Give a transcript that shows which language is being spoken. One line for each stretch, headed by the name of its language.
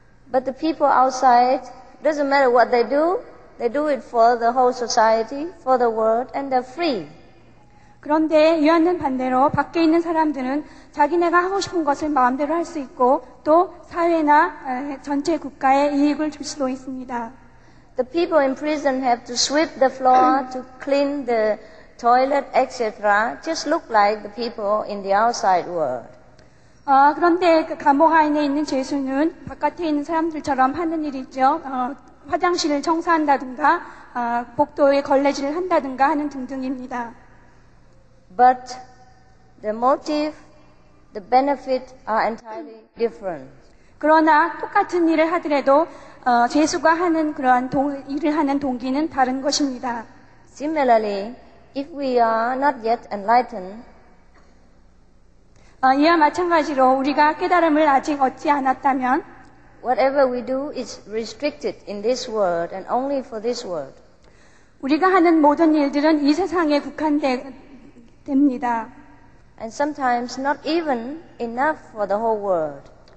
English: But the people outside, doesn't matter what they do it for the whole society, for the world, and they're free.
Korean: 그런데 이와는 반대로 밖에 있는 사람들은 자기네가 하고 싶은 것을 마음대로 할 수 있고 또 사회나 전체 국가에 이익을 줄 수도 있습니다.
English: The people in prison have to sweep the floor, to clean the toilet, etc. Just look like the people in the outside world.
Korean: 그런데 그 감옥 안에 있는 죄수는 바깥에 있는 사람들처럼 하는 일이 있죠. 화장실을 청소한다든가 복도에 걸레질을 한다든가 하는 등등입니다.
English: But the motive, the benefit are entirely different.
Korean: 그러나 똑같은 일을 하더라도 죄수가 하는 그러한 일을 하는 동기는 다른 것입니다.
English: Similarly, if we are not yet enlightened,
Korean: 이와 마찬가지로 우리가 깨달음을 아직 얻지 않았다면,
English: whatever we do is restricted in this world and only for this world.
Korean: 우리가 하는 모든 일들은 이 세상에 국한됩니다.
English: And sometimes not even enough for the whole world.